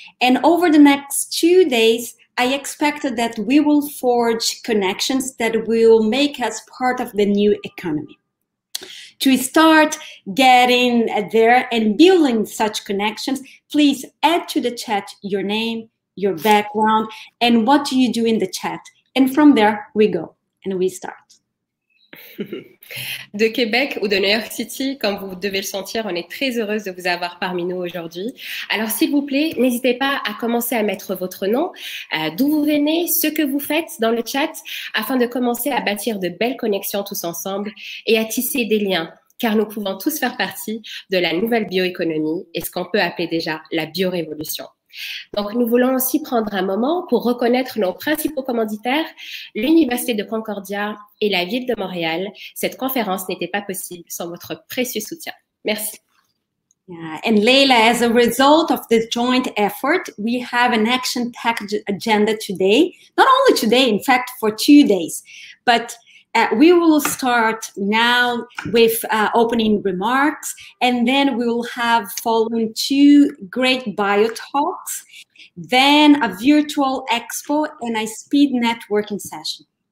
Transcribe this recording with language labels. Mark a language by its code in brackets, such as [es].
[en] And over the next 2 days, I expected that we will forge connections that will make us part of the new economy. To start getting there and building such connections, please add to the chat your name, your background, and what do you do in the chat. And from there, we go and we start. [fr] De Québec ou de New York City, comme vous devez le sentir, on est très heureuse de vous avoir parmi nous aujourd'hui. Alors s'il vous plaît, n'hésitez pas à commencer à mettre votre nom, d'où vous venez, ce que vous faites dans le chat, afin de commencer à bâtir de belles connexions tous ensemble et à tisser des liens, car nous pouvons tous faire partie de la nouvelle bioéconomie et ce qu'on peut appeler déjà la biorévolution. Donc, nous voulons aussi prendre un moment pour reconnaître nos principaux commanditaires, l'Université de Concordia et la Ville de Montréal. Cette conférence n'était pas possible sans votre précieux soutien. Merci. [en] Yeah. And Leïla, as a result of this joint effort, we have an action package agenda today. Not only today, in fact, for 2 days. But we will start now with opening remarks, and then we will have following two great bio talks, then a virtual expo and a speed networking session.